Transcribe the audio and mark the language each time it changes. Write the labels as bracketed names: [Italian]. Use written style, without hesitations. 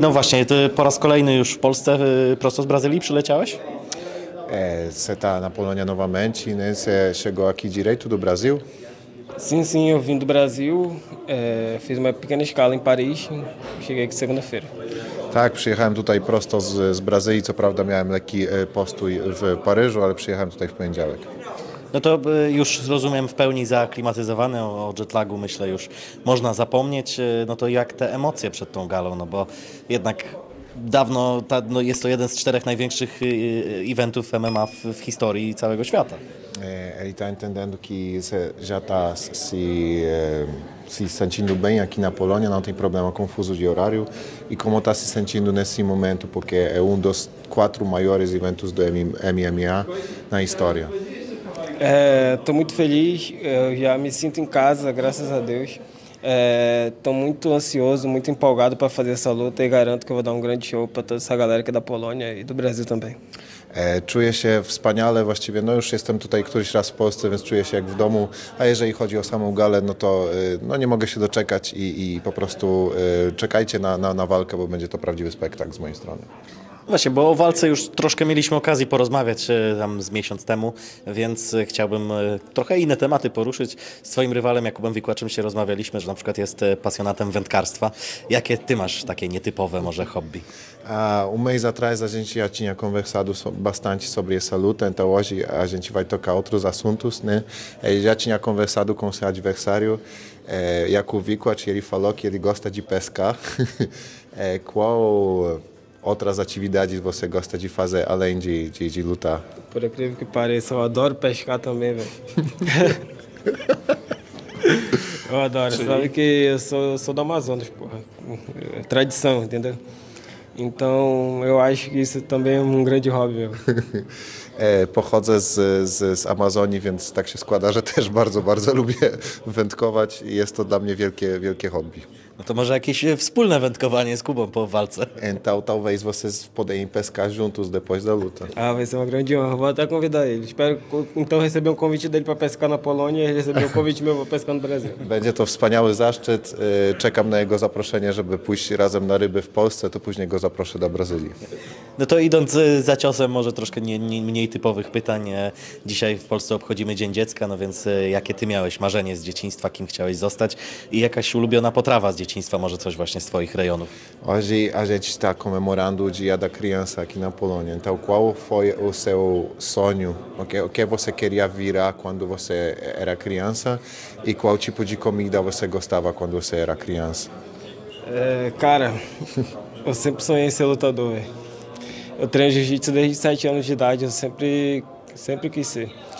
[Polish] No właśnie, ty po raz kolejny już w Polsce prosto z Brazylii przyleciałeś? [Portuguese] Você está na Polônia novamente, né? Você chegou aqui direto do Brasil? Sim, sim, eu vim do Brasil. Fiz uma pequena escala em Paris. Cheguei aqui segunda-feira. [Polish] Tak, przyjechałem tutaj prosto z Brazylii. Co prawda miałem lekki postój w Paryżu, ale przyjechałem tutaj w poniedziałek. No to już rozumiem w pełni zaaklimatyzowane, o jetlagu myślę już można zapomnieć. No to jak te emocje przed tą galą, no bo jednak dawno, no jest to jeden z czterech największych eventów MMA w historii całego świata. [Portuguese] Ele está entendendo que você já está se sentindo bem aqui na Polônia, não tem problema com fuso de horário. E como está se sentindo nesse momento, porque é um dos quatro maiores eventos do MMA na história? Estou muito feliz, eu já me sinto em casa, graças a Deus. Estou muito ansioso, muito empolgado para fazer essa luta e garanto que eu vou dar um grande show para toda essa galera aqui da Polônia e do Brasil também. [Polish] Czuję się wspaniale, właściwie no już jestem tutaj któryś raz w Polsce, więc czuję się jak w domu, a jeżeli chodzi o samą galę, no to no nie mogę się doczekać i po prostu czekajcie na walkę, bo będzie to prawdziwy spektakl z mojej strony. Właśnie, bo o walce już troszkę mieliśmy okazji porozmawiać tam z miesiąc temu, więc chciałbym trochę inne tematy poruszyć. Z twoim rywalem Jakubem Wikłaczem się rozmawialiśmy, że na przykład jest pasjonatem wędkarstwa. Jakie ty masz takie nietypowe może hobby? [Portuguese] Um mês atrás a gente já tinha conversado bastante sobre essa luta, então hoje a gente vai tocar outros assuntos, né? Ele já tinha conversado com seu adversário, Jakub Wikłacz, e ele falou que ele gosta de pescar. Qual outras atividades você gosta de fazer além de lutar? Por incrível que pareça, eu adoro pescar também, velho. Eu adoro, sabe que eu sou do Amazonas, porra. É tradição, entendeu? Então, eu acho que isso também é um grande hobby, meu. [Polish] Pochodzę z Amazonii, więc tak się składa, że też bardzo, bardzo lubię wędkować i jest to dla mnie wielkie, wielkie hobby. No to może jakieś wspólne wędkowanie z Kubą po walce. [Portuguese] Então, talvez vocês podem pescar juntos depois da luta. Ah, vai ser uma grande honra. Vou até convidar ele. Espero então receber um convite dele para pescar na Polônia e receber um convite meu para pescar no Brasil. [Polish] Będzie to wspaniały zaszczyt. Czekam na jego zaproszenie, żeby pójść razem na ryby w Polsce, to później go zaproszę do Brazylii. No to idąc za ciosem, może troszkę mniej typowych pytań. Dzisiaj w Polsce obchodzimy Dzień Dziecka, no więc jakie ty miałeś marzenie z dzieciństwa, kim chciałeś zostać i jakaś ulubiona potrawa z dzieciństwa, może coś właśnie z twoich rejonów? [Portuguese] Hoje a gente está comemorando o Dia da Criança aqui na Polônia. Então, qual foi o seu sonho? O que você queria virar quando você era criança e qual tipo de comida você gostava quando você era criança? Cara, eu sempre sonhei em ser lutador, velho. Eu treino jiu-jitsu desde 7 anos de idade, eu sempre quis ser.